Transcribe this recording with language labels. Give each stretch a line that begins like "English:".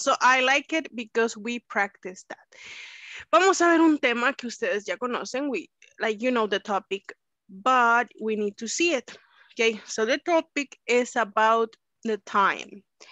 English: So I like it because we practice that.
Spanish: Vamos a ver un tema que ustedes ya conocen.
English: We, like, you know the topic, but we need to see it. Okay, so the topic is about the time.